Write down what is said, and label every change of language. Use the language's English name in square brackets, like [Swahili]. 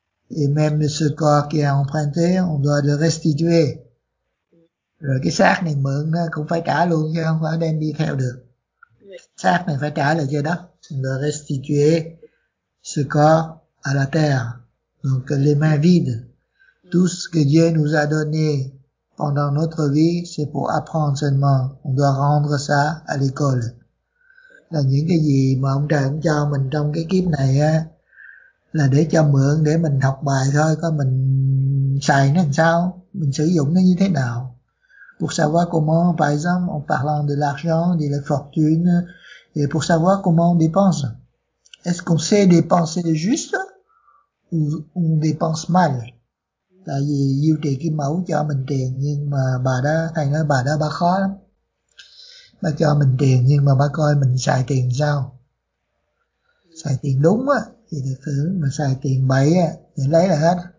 [French] Et même ce corps qui est emprunté, on doit le restituer. [Vietnamese] Rồi cái xác này mượn cũng phải trả luôn chứ không phải đem đi theo được. Xác này phải trả lại cho đất. [French] On doit restituer ce corps à la terre. Donc les mains vides. Tout ce que Dieu nous a donné pendant notre vie, c'est pour apprendre seulement. On doit rendre ça à l'école. [Vietnamese] Là những cái gì mà ông trời ông cho mình trong cái kiếp này á, là để cho mượn, để mình học bài thôi. Có mình xài nó làm sao, mình sử dụng nó như thế nào. [French] Pour savoir comment, par exemple, en parlant de l'argent, de la fortune, et pour savoir comment on dépense. Est-ce qu'on sait dépenser juste ou on dépense mal? [Vietnamese] Tại vì duy trì cái mẫu cho mình tiền, nhưng mà bà đó, thầy nói bà đó bà khó lắm. Bà cho mình tiền nhưng mà bà coi mình xài tiền sao. Xài tiền đúng á thì được hưởng, mà xài tiền bậy á thì lấy là hết.